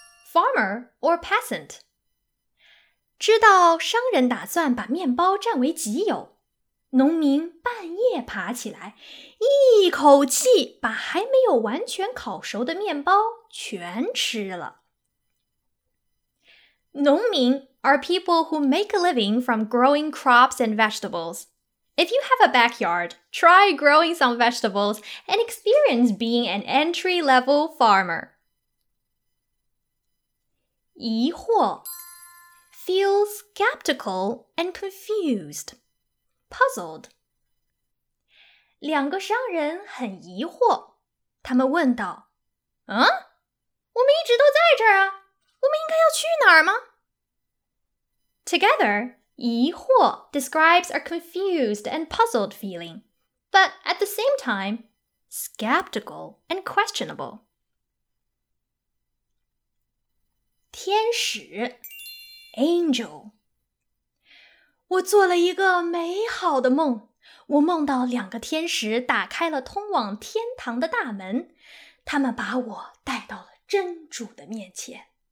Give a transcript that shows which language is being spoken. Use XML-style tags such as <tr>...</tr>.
<en>Farmer or peasant?</en> <zh>知道商人打算把面包占为己有，农民半夜爬起来，一口气把还没有完全烤熟的面包全吃了。</zh> <en>农民 are people who make a living from growing crops and vegetables. If you have a backyard, try growing some vegetables and experience being an entry-level farmer. 疑惑 Feel skeptical and confused. Puzzled.</en> <zh>两个商人很疑惑，他们问道，我们一直都在这儿啊，我们应该要去哪儿吗？</zh> <en>Together, 疑惑 describes a confused and puzzled feeling, but at the same time, skeptical and questionable.</en> <zh>天使 Angel 我做了一个美好的梦，我梦到两个天使打开了通往天堂的大门，他们把我带到了真主的面前。</zh>